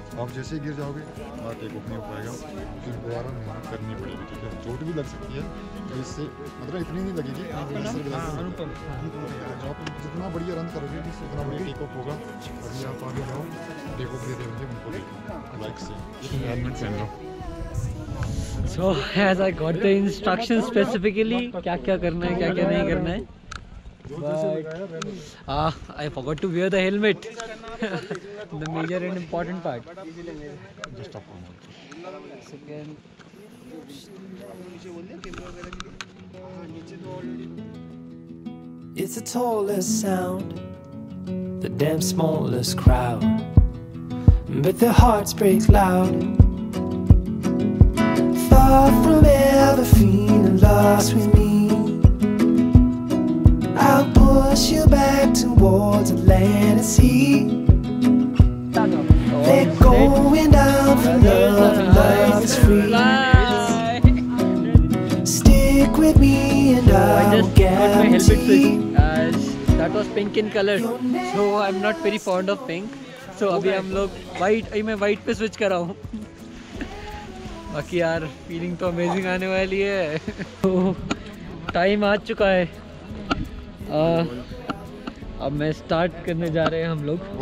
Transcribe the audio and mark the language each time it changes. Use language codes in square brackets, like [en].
[hi] आप जैसे ही गिर जाओगे हमारा टेक ऑफ नहीं हो पाएगा, फिर दोबारा मेहनत करनी पड़ेगी, ठीक है? चोट भी लग सकती है, इससे मतलब इतनी नहीं लगेगी, जो आप जितना बढ़िया रन करोगे उतना बढ़िया टेक ऑफ होगा। और ये आप आगे जाओ टेक ऑफ देते हुए उनको देखो। [en] So as I got the instructions specifically [hi] क्या क्या करना है [en] क्या क्या नहीं करना है, but I forgot to wear the helmet, the major and important part. Just stop one second. It's the tallest sound, the damn smallest crowd, but their hearts break loud. Far from ever feeling lost with me I'll push you back towards the land and sea They're going down for love and love is free Stick with me and I'll guarantee That was pink in color, so I'm not very fond of pink. [hi] So अभी हम लोग white, अभी मैं white पे switch कर रहा हूँ। बाकी यार फीलिंग तो अमेजिंग आने वाली है। तो टाइम आ चुका है, अब मैं स्टार्ट करने जा रहे हैं हम लोग।